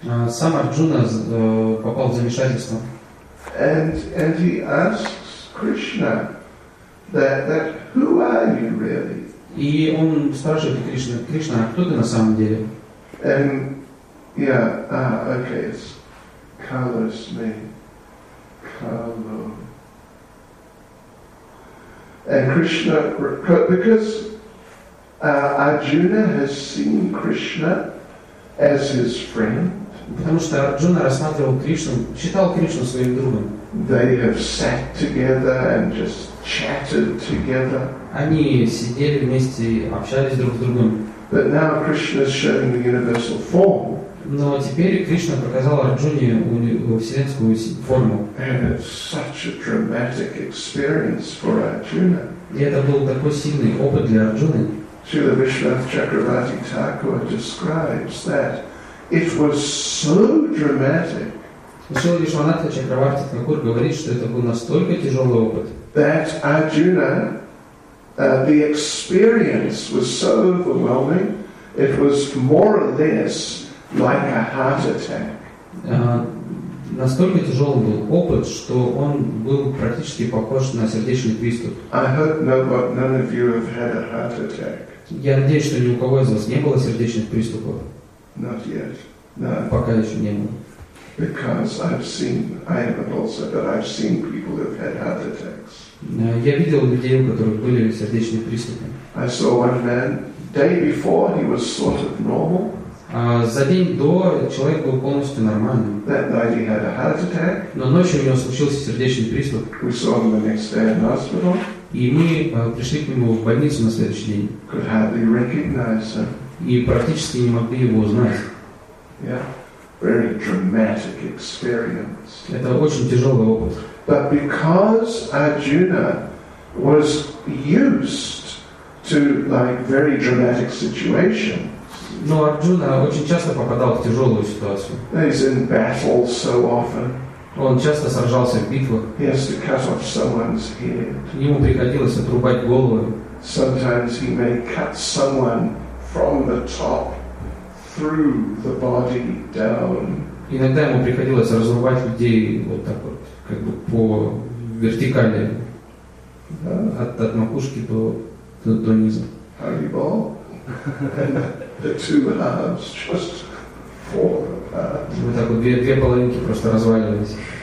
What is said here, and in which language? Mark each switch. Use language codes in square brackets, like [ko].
[ru] Сам Арджуна попал в замешательство. [en] And he asks Krishna that who are you really? [ru] И он спрашивает Кришну: Кришна, а кто ты на самом деле? [en] And yeah, okay, it's Kalosmi. Kalo. And Krishna, because Arjuna has seen Krishna as his friend. [ru] Потому что Арджуна рассматривал Кришну, считал Кришну своим другом. [en] They have sat together and just chatted together. [ru] Они сидели вместе, общались друг с другом. [en] But now Krishna is showing the universal form. [ru] Но теперь Кришна показал Арджуне вселенскую форму. [en] And it's such a dramatic experience for Arjuna. [ru] И это был такой сильный опыт для Арджуны. [en] Srila Vishwanatha Chakravarti Thakur describes that it was so dramatic. [ru] Srila Vishwanatha Chakravarti Thakur говорит, что это был настолько тяжелый опыт. [en] That Arjuna, the experience was so overwhelming, it was more or less like a heart attack. [ru] Настолько тяжелый был опыт, что он был практически похож на сердечный приступ. [en] I hope none of you have had a heart attack. [ru] Я надеюсь, что ни у кого из вас не было сердечных приступов. [en] Not yet. No. [ru] Пока еще не было. [en] Because I've seen people who've had heart attacks. [ru] Я видел людей, у которых были сердечные приступы. [en] I saw one man day before he was sort of normal. [ru] За день до человек был полностью нормальным. [en] That night he had a heart attack. [ru] Но ночью у него случился сердечный приступ. [en] We saw him the next day in hospital. [ru] И мы пришли к нему в больницу на следующий день. [en] Could hardly recognize him. [ru] И практически не могли его узнать. [en] Yeah. Very dramatic experience. [ru] Это очень тяжелый опыт. [en] But because Arjuna was used to like very dramatic situations. [ru] Но Арджуна очень часто попадал в тяжелую ситуацию. [en] He's in battle so often. [ru] Он часто сражался в битвах. [en] He has to cut off someone's head. [ru] Ему приходилось отрубать голову. [en] Sometimes he may cut someone from the top through the body down. [ru] Иногда ему приходилось разрубать людей вот так вот, как бы по вертикали, от макушки до низа. [en] Horrible. The two halves just fall apart. [ru] Вот так вот две половинки просто разваливались.